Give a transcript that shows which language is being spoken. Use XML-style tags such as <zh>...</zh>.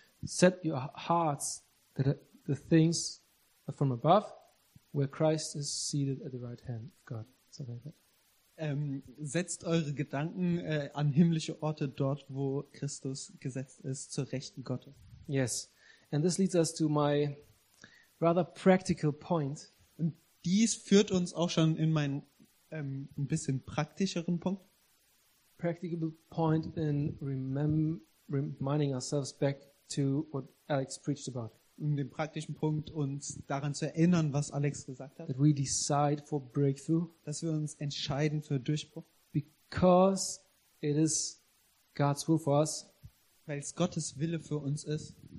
<en>Set your hearts that the things are from above, where Christ is seated at the right hand of God. Something like that.</en> <de>Setzt eure Gedanken an himmlische Orte, dort, wo Christus gesetzt ist, zur Rechten Gottes.</de> <en>Yes, and this leads us to my rather practical point.</en> <de>Und dies führt uns auch schon in meinen ein bisschen praktischeren Punkt.</de> <en>Practicable point in reminding ourselves back to what Alex preached about.</en> <de>In dem praktischen Punkt, uns daran zu erinnern, was Alex gesagt hat.</de> <en>That we decide for breakthrough.</en> <de>Dass wir uns entscheiden für Durchbruch.</de> <en>Because it is God's will for us.</en> <de>Weil es Gottes Wille für uns ist.</de>